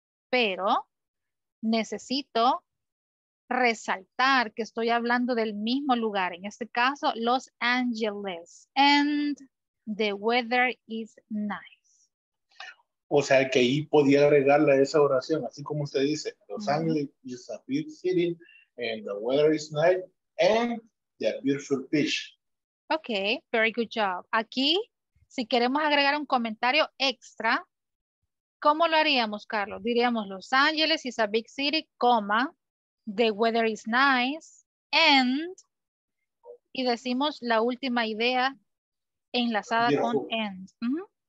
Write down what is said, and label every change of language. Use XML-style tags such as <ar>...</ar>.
<es>Pero necesito resaltar que estoy hablando del mismo lugar. En este caso,</es> <en>Los Angeles. And the weather is nice.</en> <es>O sea, que ahí podía agregarle a esa oración, así como usted dice, Los Angeles</es> <en>is a big city. And the weather is nice, and the beautiful fish. Okay, very good job.</en> <es>Aquí, si queremos agregar un comentario extra, ¿cómo lo haríamos, Carlos?</es> <en>Diríamos, Los Ángeles is a big city, comma, the weather is nice, and,</en> <es>y decimos la última idea enlazada con</es> <en>and. Mm-hmm.</en>